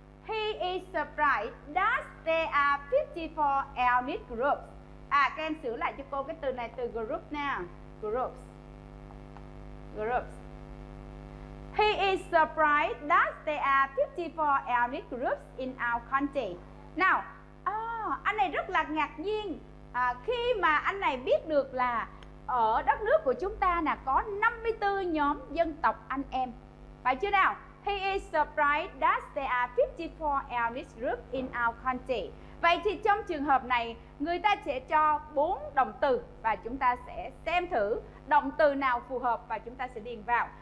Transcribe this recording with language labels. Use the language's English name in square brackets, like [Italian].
[English] He is surprised that there are 54 ethnic groups. [Vietnamese] À, các em sửa lại cho cô cái từ này, từ group nè. [English] Groups. Groups. He is surprised that there are 54 ethnic groups in our country. [Vietnamese] Now, anh này rất là ngạc nhiên khi mà anh này biết được là ở đất nước của chúng ta là có 54 nhóm dân tộc anh em, phải chưa nào? [English] He is surprised that there are 54 ethnic groups in our country. [Vietnamese] Vậy thì trong trường hợp này, người ta sẽ cho 4 động từ và chúng ta sẽ xem thử động từ nào phù hợp và chúng ta sẽ điền vào.